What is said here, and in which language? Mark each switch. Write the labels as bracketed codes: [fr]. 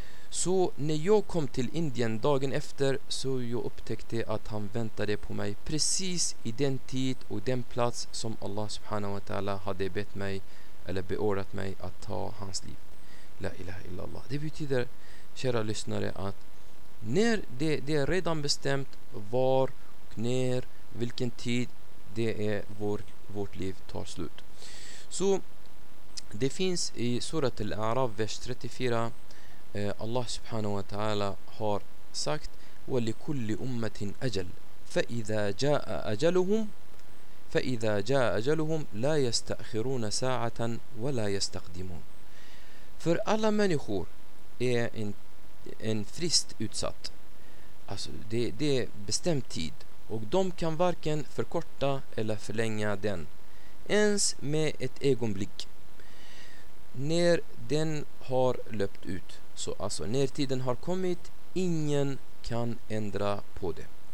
[sv] Så när jag kom till Indien dagen efter, så jag upptäckte att han väntade på mig precis i den tid och den plats som Allah subhanahu wa ta'ala hade bett mig eller beordrat mig att ta hans liv. La ilaha illallah. Det betyder, kära lyssnare, att när det är redan bestämt var och när, vilken tid det är vårt liv tar slut. Så det finns i surat al-A'raf vers 34, Allah subhanahu wa ta'ala har sagt: [ar] وَلِكُلِّ أُمَّةٍ أَجَلٍ فَإِذَا جَاءَ أَجَلُهُمْ فَإِذَا جَاءَ أَجَلُهُمْ لَا يَسْتَأْخِرُونَ سَاعَةً وَلَا يَسْتَقْدِمُونَ. [sv] För alla människor är en frist utsatt. Alltså det är bestämd tid. Och de kan varken förkorta eller förlänga den. Ens med ett ögonblick. När den har löpt ut, så alltså när tiden har kommit, ingen kan ändra på det.